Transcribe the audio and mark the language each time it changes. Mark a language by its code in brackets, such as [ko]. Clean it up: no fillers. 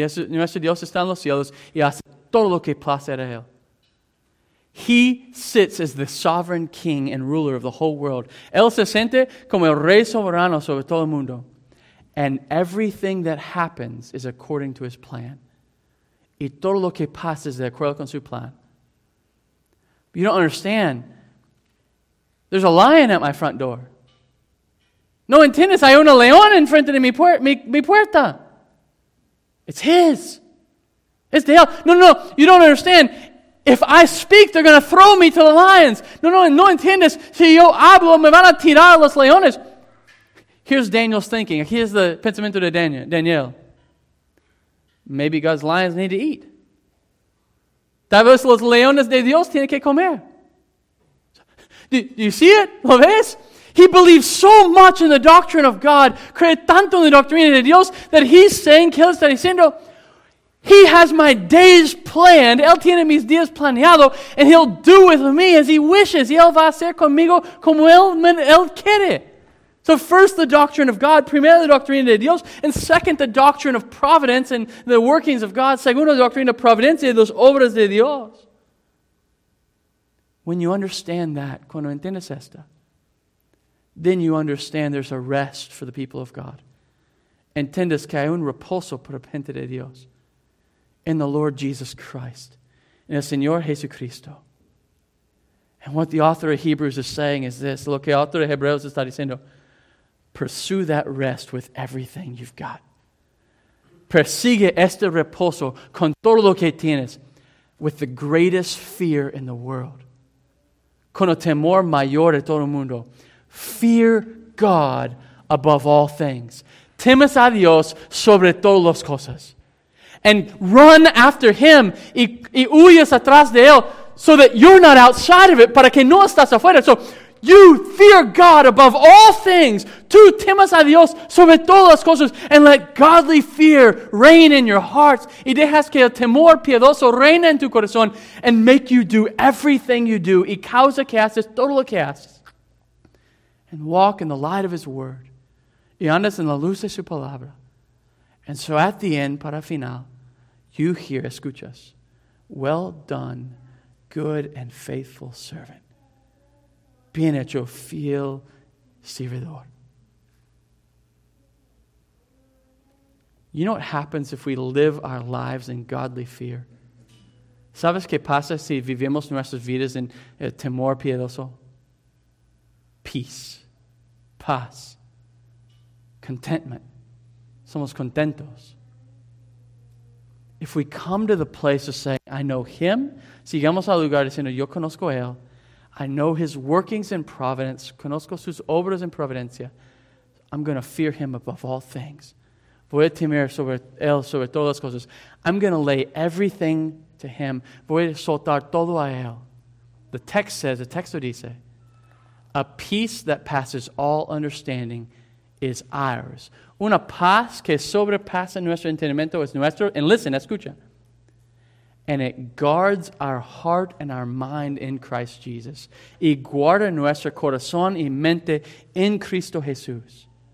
[es] Nuestro Dios está en los cielos, y hace todo lo que placer a Él. [en] He sits as the sovereign king and ruler of the whole world. [es] Él se siente como el rey soberano sobre todo el mundo. [en] And everything that happens is according to His plan. [es] Y todo lo que pasa es de acuerdo con su plan. [en] You don't understand. There's a lion at my front door. [es] No, en tennis, hay una leona en frente de mi puerta. [en] It's His. It's the hell. No, you don't understand. If I speak, they're going to throw me to the lions. [es] No, en tennis, si yo hablo, me van a tirar los leones. [en] Here's Daniel's thinking. Here's the [es] pensamiento de Daniel. [en] Maybe God's lions need to eat. [es] Tal vez los leones de Dios tienen que comer. [en] Do you see it? [es] ¿Lo ves? [en] He believes so much in the doctrine of God, [es] cree tanto en la doctrina de Dios, [en] that he's saying, [es] que él está diciendo, [en] He has my days planned, [es] Él tiene mis días planeado, [en] and He'll do with me as He wishes, [es] y Él va a hacer conmigo como él quiere. [en] So first, the doctrine of God, [es] primero, la doctrina de Dios, [en] and second, the doctrine of providence and the workings of God, [es] segundo, la doctrina de providencia y las obras de Dios. [en] When you understand that, [es] cuando entiendes esta, [en] then you understand there's a rest for the people of God. [es] Entiendes que hay un reposo para gente de Dios. [en] In the Lord Jesus Christ. In [es] el Señor Jesucristo. [en] And what the author of Hebrews is saying is this. [es] Lo que el autor de Hebreos está diciendo. [en] Pursue that rest with everything you've got. [es] Persigue este reposo con todo lo que tienes. [en] With the greatest fear in the world. [es] Con el temor mayor de todo el mundo. [en] Fear God above all things. [es] Temes a Dios sobre todas las cosas. [en] And run after Him [es] y huyes atrás de Él [en] so that you're not outside of it, [es] para que no estás afuera. [en] So you fear God above all things. [es] Tú temes a Dios sobre todas las cosas [en] and let godly fear reign in your hearts. [es] Y dejas que el temor piadoso reine en tu corazón [en] and make you do [es] everything you do. Y causa que haces todo lo que haces. [en] And walk in the light of His word. [es] Y andas en la luz de su palabra. [en] And so at the end, [es] para final, [en] you hear, [es] escuchas, [en] well done, good and faithful servant. [es] Bien hecho, fiel servidor. [en] You know what happens if we live our lives in godly fear? [es] ¿Sabes qué pasa si vivimos nuestras vidas en temor piadoso? Peace. paz, contentment. Somos contentos. [en] If we come to the place of saying, I know Him, [es] sigamos al lugar diciendo, yo conozco a Él, [en] I know His workings in providence, [es] conozco sus obras en providencia, [en] I'm going to fear Him above all things. [es] Voy a temer sobre Él, sobre todas las cosas. [en] I'm going to lay everything to Him. [es] Voy a soltar todo a Él. [en] The text says, the [es] texto dice, [en] a peace that passes all understanding is ours. [es] Una paz que sobrepasa nuestro entendimiento es nuestro. [en] And listen, [es] escucha. [en] And it guards our heart and our mind in Christ Jesus. [es] Y guarda nuestro corazón y mente en Cristo Jesús.